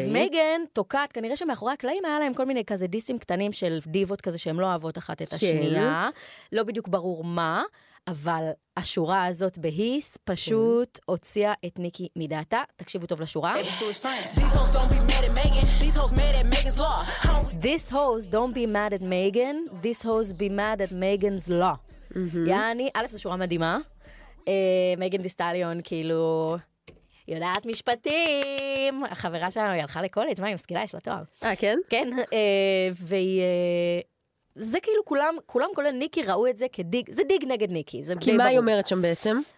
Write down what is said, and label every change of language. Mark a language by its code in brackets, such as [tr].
[he] אז מגן תוקעת, כנראה שמאחורי הקלעים היה להם כל מיני כזה דיסים קטנים של דיוות כזה שהם לא אוהבות אחת את השנייה. לא בדיוק ברור מה, אבל השורה הזאת בהיס פשוט הוציאה את ניקי מדעתה. תקשיבו טוב לשורה. [en] This hoes don't be mad at Megan. This hoes be mad at Megan's law. [he] יעני, א', זו שורה מדהימה. מגן דה סטליון, כאילו, יודעת משפטים. החברה שלנו הלכה לקולג', מה, היא משכילה, יש לה תואר. אה, כן? כן, וזה כאילו כולם, כולם כולל ניקי ראו את זה כדיג, זה דיג נגד ניקי. כי מה היא אומרת שם בעצם?